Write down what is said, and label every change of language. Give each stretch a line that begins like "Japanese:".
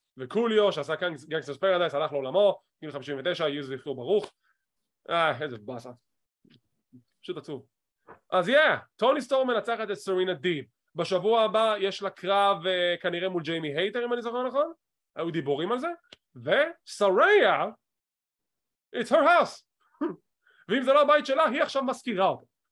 Hebrew: וקוליו שעשה גנגסטרס פרדייס הלך לעולמו, גיל 59, יהיו זכרו ברוך. איזה בסה. פשוט עצוב. אז יא, טוני סטורם מנצחת את סרינה דיב. בשבוע הבא יש לה קרב כנראה מול ג'יימי הייטר, אם אני זוכר נכון. היו דיבורים על זה. וסריה,
English: it's her house.
Hebrew: ואם זה לא הבית שלה, היא עכשיו מזכירה אותו.